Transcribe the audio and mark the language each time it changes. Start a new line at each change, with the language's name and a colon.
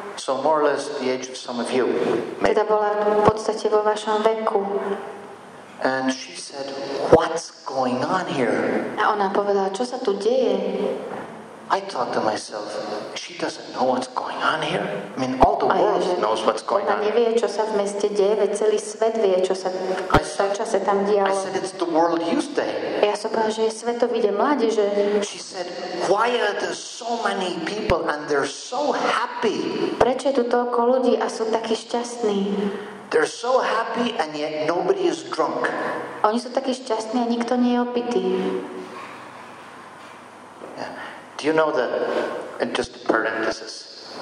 English: So more or less the age of some of you.
Slovak: Teda bola v podstate vo vašom veku.
English: And she said, what's going on here?
Slovak: A ona povedala, čo sa tu deje?
English: I thought to myself, she doesn't know what's going on here. I mean, all the world knows what's going on.
Slovak: Nevie, čo sa v meste deje, veď celý svet vie, čo sa v tom čase tam dialo.
English: I said, it's the world you stay.
Slovak: Ja som povedal, že je svetový deň mladí, že...
English: She said, why are there so many people and they're so happy?
Slovak: Prečo je tu toľko ľudí a sú takí šťastní?
English: They're so happy and yet nobody is drunk.
Slovak: Oni sú takí šťastní a nikto nie je opitý.
English: Do you know that, just parenthesis?